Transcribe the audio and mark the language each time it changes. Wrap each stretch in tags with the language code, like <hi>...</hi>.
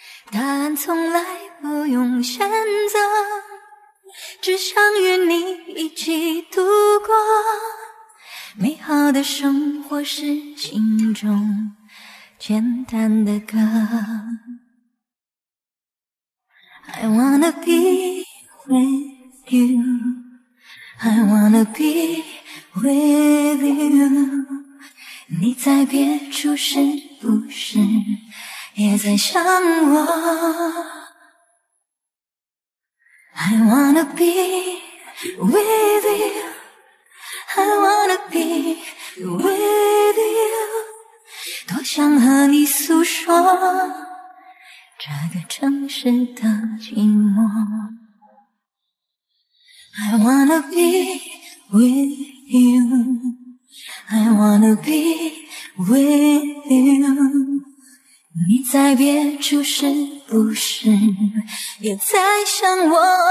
<zh>答案从来不用选择，只想与你一起度过。美好的生活是心中简单的歌。</zh> <en>I wanna be with you, I wanna be with you.</en> <zh>你在别处是不是也在想我？</zh> <en>I wanna be with you, I wanna be with you.</en> <zh>多想和你诉说这个城市的寂寞。</zh> <en>I wanna be with you, I wanna be with you.</en> <zh>你在别处是不是也在想我？</zh>